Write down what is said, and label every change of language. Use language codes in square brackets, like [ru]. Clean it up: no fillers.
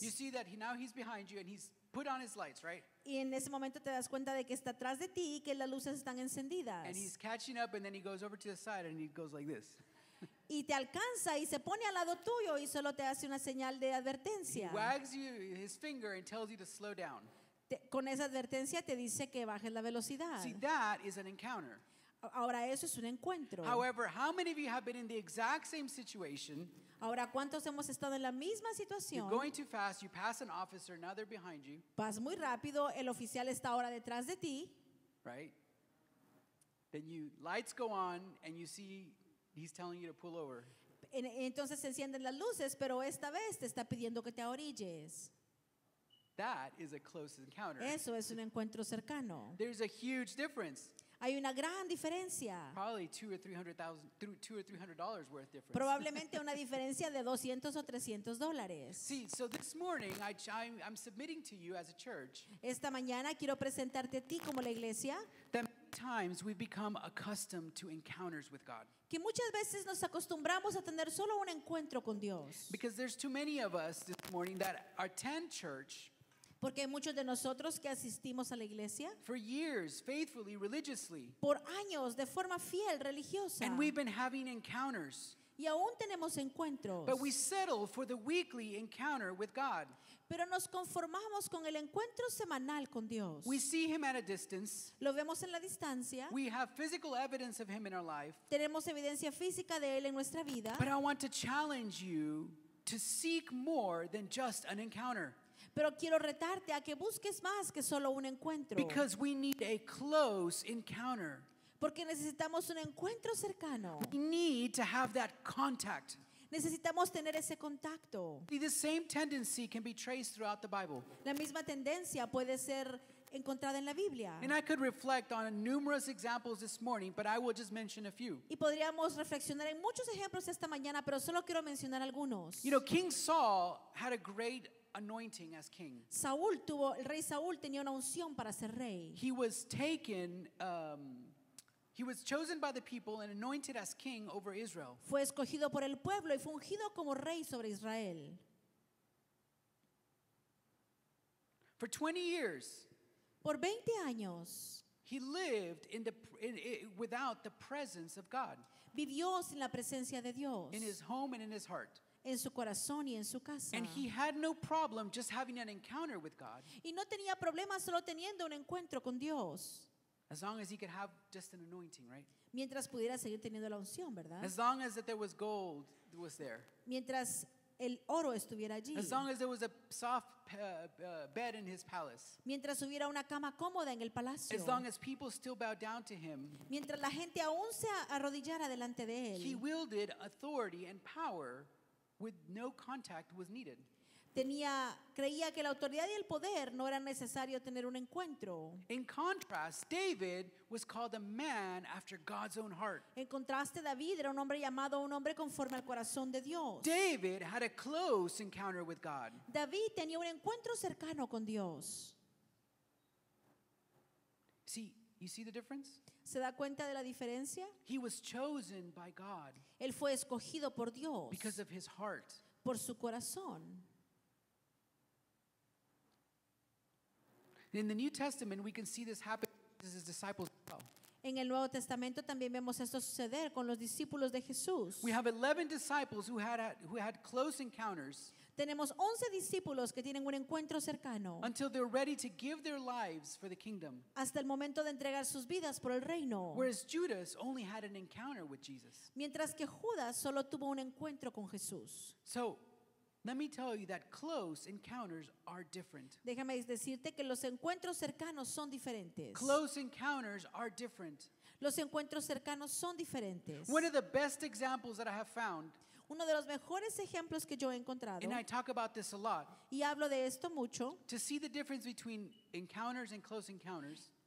[en] You see that now he's behind you and he's put on his lights, right? [es] Y en ese momento te das cuenta de que está atrás de ti y que las luces están encendidas. [en] And he's catching up and then he goes over to the side and he goes like this. [es] y te alcanza y se pone al lado tuyo y solo te hace una señal de advertencia. [en] He wags you his finger and tells you to slow down. [es] Con esa advertencia te dice que bajes la velocidad. [en] See, that is an encounter. [es] Ahora eso es un encuentro. [en] However, how many of you have been in the exact same situation? [es] Ahora, ¿cuántos hemos estado en la misma situación? [en] You're going too fast, you pass an officer, now they're behind you. [es] Vas muy rápido, el oficial está ahora detrás de ti. [en] Right? Then you lights go on and you see he's telling you to pull over. [es] Entonces se encienden las luces, pero esta vez te está pidiendo que te orilles. [en] That is a close encounter. [es] Eso es un encuentro cercano. [en] There's a huge difference. [es] Hay una gran diferencia. [en] Probably $200 or $300 worth difference. [es] Probablemente una diferencia de $200 or $300. [en] See, so this morning I'm submitting to you as a church. [es] Esta mañana quiero presentarte a ti como la iglesia. [en] That many times we've become accustomed to encounters with God. [es] Que muchas veces nos acostumbramos a tener solo un encuentro con Dios. [en] Because there's too many of us this morning that attend church. [es] Porque hay muchos de nosotros que asistimos a la iglesia [en] for years, faithfully, religiously, [es] por años, de forma fiel, religiosa, [en] and we've been having encounters, [es] y aún tenemos encuentros, [en] but we settle for the weekly encounter with God. [es] Pero nos conformamos con el encuentro semanal con Dios. [en] We see him at a distance. [es] Lo vemos en la distancia. [en] We have physical evidence of him in our life. [es] Tenemos evidencia física de él en nuestra vida. [en] But I want to challenge you to seek more than just an encounter. [es] Pero quiero retarte a que busques más que solo un encuentro. [en] Because we need a close encounter. [es] Porque necesitamos un encuentro cercano. [en] We need to have that contact. [es] Necesitamos tener ese contacto. [en] See, the same tendency can be traced throughout the Bible. [es] La misma tendencia puede ser encontrada en la Biblia. [en] And I could reflect on numerous examples this morning, but I will just mention a few. [es] Y podríamos reflexionar en muchos ejemplos esta mañana, pero solo quiero mencionar algunos. [en] You know, King Saul had a great anointing as king. [es] Saúl tuvo, el rey Saúl tenía una unción para ser rey. [en] He was taken, he was chosen by the people and anointed as king over Israel. [es] Fue escogido por el pueblo y fue ungido como rey sobre Israel. [en] For 20 years. [es] Por 20 años. [en] He lived without the presence of God. [es] Vivió sin la presencia de Dios. [en] In his home and in his heart. [es] En su corazón y en su casa. [en] And he had no problem just having an encounter with God. [es] Y no tenía problema solo teniendo un encuentro con Dios. [en] As long as he could have just an anointing, right? [es] Mientras pudiera seguir teniendo la unción, ¿verdad? [en] As long as that there was gold that was there. [es] Mientras el oro estuviera allí. [en] As long as there was a soft bed in his palace. [es] Mientras hubiera una cama cómoda en el palacio. [en] As long as people still bowed down to him. [es] Mientras la gente aún se arrodillara delante de él. [en] He wielded authority and power with no contact was needed. [es] Tenía, creía que la autoridad y el poder no era necesario tener un encuentro. [en] In contrast, David was called a man after God's own heart. [es] En contraste, David era un hombre llamado un hombre conforme al corazón de Dios. [en] David had a close encounter with God. [es] David tenía un encuentro cercano con Dios. [en] See, you see the difference? [es] ¿Se da cuenta de la diferencia? [en] He was chosen by God. [es] Él fue escogido por Dios. [en] Because of his heart. [es] Por su corazón. [en] In the New Testament, we can see this happen with his disciples as well. [es] En el Nuevo Testamento también vemos esto suceder con los discípulos de Jesús. [en] We have 11 disciples who had close encounters. [es] Tenemos 11 discípulos que tienen un encuentro cercano. [en] Until they're ready to give their lives for the kingdom. [es] Hasta el momento de entregar sus vidas por el reino. [en] Whereas Judas only had an encounter with Jesus. [es] Mientras que Judas solo tuvo un encuentro con Jesús. [en] So, let me tell you that close encounters are different. [es] Déjame decirte que los encuentros cercanos son diferentes. [en] Close encounters are different. [es] Los encuentros cercanos son diferentes. [en] One of the best examples that I have found. [es] Uno de los mejores ejemplos que yo he encontrado. [en] And I talk about this a lot. [es] Y hablo de esto mucho. [en] To see the difference between encounters and close encounters.